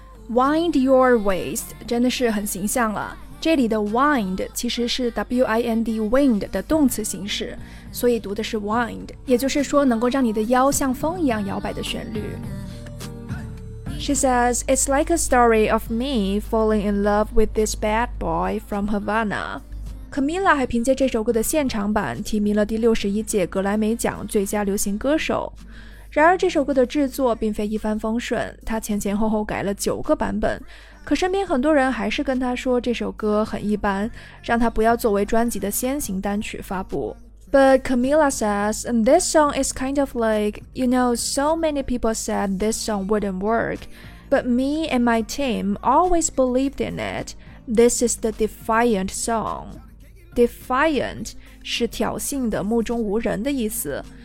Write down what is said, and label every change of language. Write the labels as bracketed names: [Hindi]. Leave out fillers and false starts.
[English] Wind your waist [Chinese] 真的是很形象了，这里的 wind 其实是 wind wind 的动词形式，所以读的是 wind， 也就是说能够让你的腰像风一样摇摆的旋律。 [English] She says it's like a story of me falling in love with this bad boy from Havana。 [Chinese] Camila 还凭借这首歌的现场版提名了第61届格莱美奖最佳流行歌手。然而这首歌的制作并非一帆风顺，他前前后后改了9个版本，可身边很多人还是跟他说这首歌很一般，让他不要作为专辑的先行单曲发布。 [English] But Camila says this song is kind of like, you know, so many people said this song wouldn't work, but me and my team always believed in it. This is the defiant song. Defiant [Chinese] 是挑衅的、目中无人的意思。